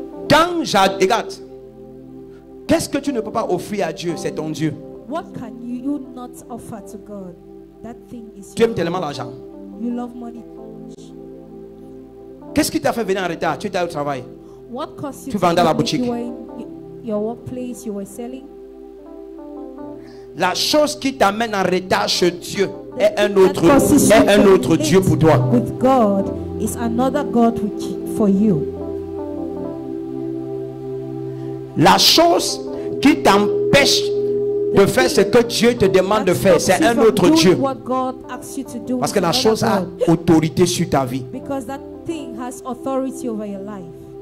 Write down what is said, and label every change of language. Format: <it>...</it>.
<fr>Quand j'adore, regarde. Qu'est-ce que tu ne peux pas offrir à Dieu? C'est ton Dieu.</fr> <en>What can you not offer to God? That thing is.</en> <fr>Tu aimes tellement l'argent.</fr> <en>You love money.</en> <fr>Qu'est-ce qui t'a fait venir en retard? Tu étais au travail.</fr> <en>What cost you?</en> <fr>Tu vendais la boutique.</fr> <en>You were in your workplace, you were selling.</en> <fr>La chose qui t'amène en retard chez Dieu est un autre Dieu pour toi.</fr> <en>With God is another God for you.</en> <fr>La chose qui t'empêche de faire ce que Dieu te demande de faire, c'est un autre Dieu. Parce que la chose a autorité sur ta vie.</fr> <en>Because that thing has authority over your life.</en>